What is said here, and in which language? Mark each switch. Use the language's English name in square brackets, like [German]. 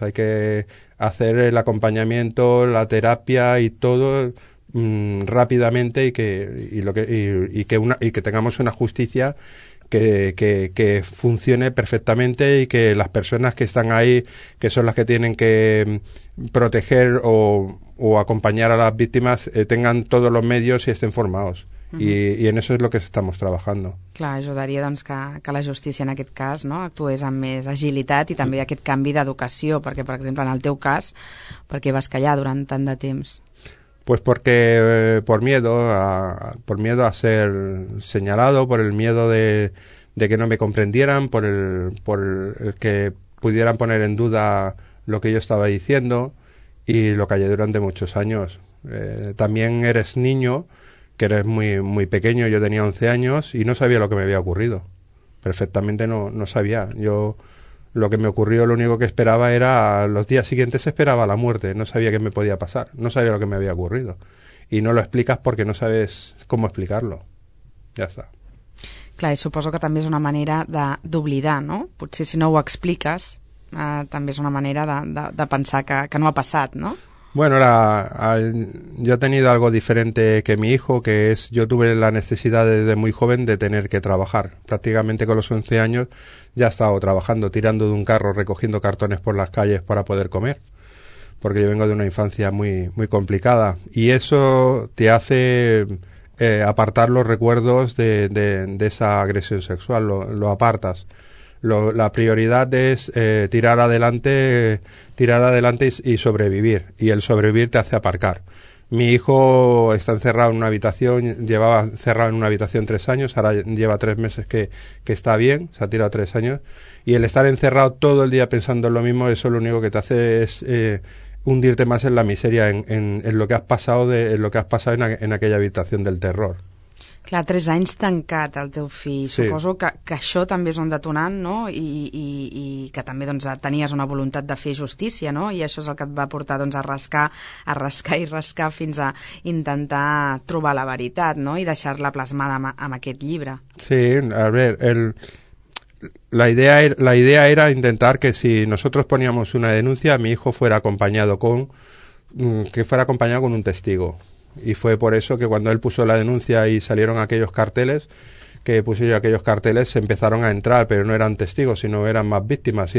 [Spanish] Hay que hacer el acompañamiento, la terapia y todo rápidamente, y que tengamos una justicia que funcione perfectamente y que las personas que están ahí, que son las que tienen que proteger o acompañar a las víctimas, tengan todos los medios y estén formados. Uh-huh. I en eso es lo que estamos trabajando. [Catalan] Clar, ajudaria doncs, que la justícia en aquest cas no, actués amb més agilitat i també aquest canvi d'educació, perquè, per exemple, en el teu cas, per què vas callar durant tant de temps? [Spanish] Pues porque por miedo a ser señalado, por el miedo de que no me comprendieran, por el que pudieran poner en duda lo que yo estaba diciendo, y lo callé durante muchos años. También eres niño, que eres muy muy pequeño, yo tenía 11 años y no sabía lo que me había ocurrido. Perfectamente no sabía. Yo lo que me ocurrió, lo único que esperaba era, los días siguientes esperaba la muerte, no sabía qué me podía pasar, no sabía lo que me había ocurrido. Y no lo explicas porque no sabes cómo explicarlo. Ya está. [Catalan] Clar, i suposo que també és una manera d'oblidar, no? Potser si no ho expliques, també és una manera de pensar que no ha passat, no? [Spanish] Bueno, yo he tenido algo diferente que mi hijo, que es, yo tuve la necesidad desde muy joven de tener que trabajar. Prácticamente con los 11 años ya he estado trabajando, tirando de un carro, recogiendo cartones por las calles para poder comer, porque yo vengo de una infancia muy muy complicada. Y eso te hace apartar los recuerdos de esa agresión sexual, lo apartas. La prioridad es tirar adelante y sobrevivir, y el sobrevivir te hace aparcar. Mi hijo está encerrado en una habitación, llevaba encerrado en una habitación 3 años, ahora lleva 3 meses que está bien, se ha tirado 3 años, y el estar encerrado todo el día pensando en lo mismo, eso lo único que te hace es hundirte más en la miseria, en lo que has pasado en aquella habitación del terror. [Catalan] Clar, 3 anys tancat el teu fill. Suposo que això també és un detonant, no? I que també doncs, tenies una voluntat de fer justícia, no? I això és el que et va portar doncs, a rascar fins a intentar trobar la veritat, no? I deixar-la plasmada en aquest llibre. [Spanish] Sí, [Catalan] a veure, [Spanish] la idea era intentar que si nosotros poníamos una denuncia, mi hijo fuera acompañado con un testigo. Y fue por eso que cuando él puso la denuncia y salieron aquellos carteles, que puse yo aquellos carteles, se empezaron a entrar, pero no eran testigos, sino eran más víctimas.